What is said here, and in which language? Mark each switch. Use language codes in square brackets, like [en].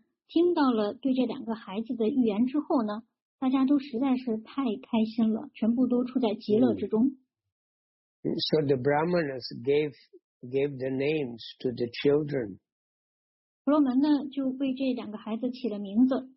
[zh] 所以说呢，当Drupada以及在场的所有的亲属们听到了对这两个孩子的预言之后呢，大家都实在是太开心了，全部都处在极乐之中。 [en] So the Brahmanas gave the names to the children. [zh] 婆罗门呢就为这两个孩子起了名字。